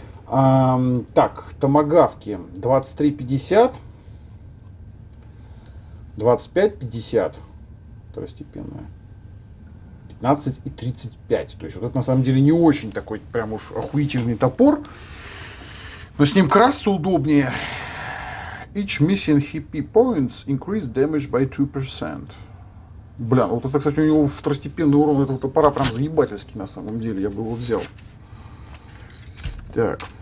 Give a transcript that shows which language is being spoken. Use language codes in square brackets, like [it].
[ru] Так, томагавки. 23.50. 25.50. Второстепенная. 15.35. То есть, вот это на самом деле не очень такой прям уж охуительный топор. Но с ним красться удобнее. [en] Each missing HP points increase damage by 2%. [ru] Бля, вот это, кстати, у него второстепенный урон, это топора прям заебательский на самом деле, я бы его взял. Так.